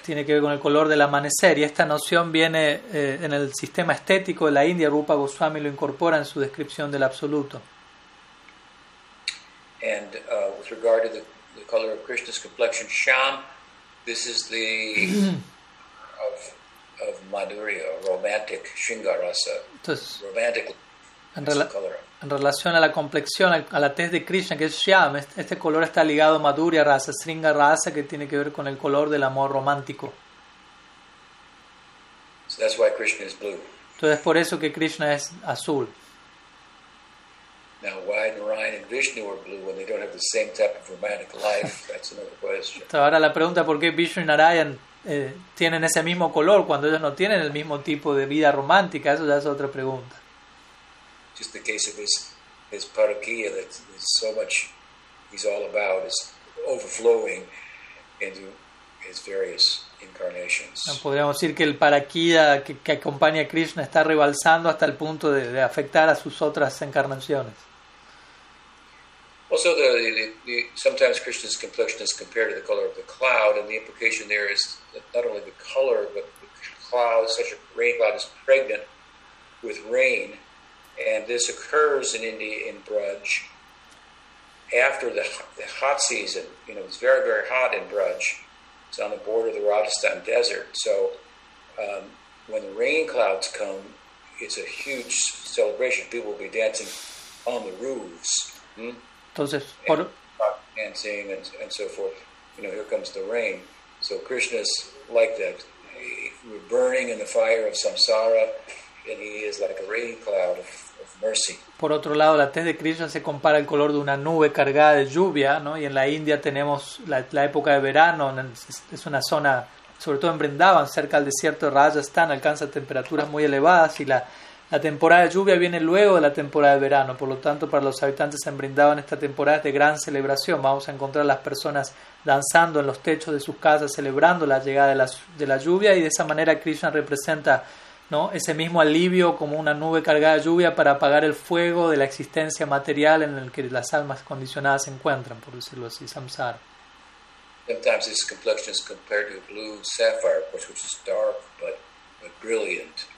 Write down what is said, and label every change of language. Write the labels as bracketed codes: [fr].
[es] Tiene que ver con el color del amanecer, y esta noción viene en el sistema estético de la India. Rupa Goswami lo incorpora en su descripción del absoluto. [en] And with regard to the color of Krishna's complexion, sham, this is the of Madhurya, romantic, shingarasa, romantic. [es] En relación a la complexión, a la tez de Krishna, que es sham, este color está ligado a Madhurya rasa, shingarasa, que tiene que ver con el color del amor romántico. [en] So that's why Krishna is blue. [es] Entonces por eso que Krishna es azul. [en] Now, why Narayan and Vishnu are blue when they don't have the same type of romantic life? That's another question. [es] Ahora la pregunta, ¿por qué Vishnu y Narayan tienen ese mismo color cuando ellos no tienen el mismo tipo de vida romántica? Eso ya es otra pregunta. [en] Just the case of his parakia that is so much he's all about is overflowing into his various incarnations. [es] Podríamos decir que el parakia que acompaña a Krishna está rebalsando hasta el punto de afectar a sus otras encarnaciones. [en] Also, the sometimes Krishna's complexion is compared to the color of the cloud, and the implication there is that not only the color, but the cloud, such a rain cloud, is pregnant with rain, and this occurs in India in Braj after the hot season. You know, it's very, very hot in Braj. It's on the border of the Rajasthan desert. So when the rain clouds come, it's a huge celebration. People will be dancing on the roofs. [es] Entonces, [en] dancing and so forth. You know, here comes the rain. So Krishna's like that. We're burning in the fire of samsara, and he is like a rain cloud of mercy. [es] Por otro lado, la tez de Krishna se compara al color de una nube cargada de lluvia, ¿no? Y en la India tenemos la época de verano, es una zona, sobre todo en Vrindavan, cerca del desierto de Rajasthan, alcanza temperaturas muy elevadas, y la temporada de lluvia viene luego de la temporada de verano. Por lo tanto, para los habitantes en Vrindavan, esta temporada es de gran celebración. Vamos a encontrar a las personas danzando en los techos de sus casas, celebrando la llegada de la lluvia, y de esa manera Krishna representa, ¿no?, ese mismo alivio como una nube cargada de lluvia para apagar el fuego de la existencia material en el que las almas condicionadas se encuentran, por decirlo así, samsara. [en] Sometimes this complexion is compared to blue sapphire, of course, which is dark but brilliant.